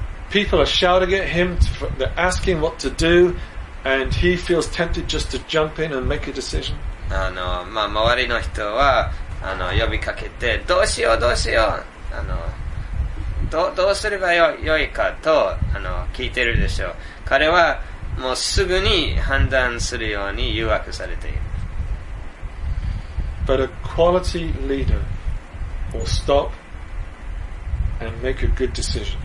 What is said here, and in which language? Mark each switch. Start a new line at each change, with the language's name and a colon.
English: People are shouting at him, they're asking what to do. And he feels tempted just to jump in and make a decision.
Japanese: まあ、周りの人は呼びかけてどうしようどうしようどうすればよいかと聞いてるでしょう。彼はもうすぐに判断するように誘惑されている。
English: But a quality leader will stop and make a good decision.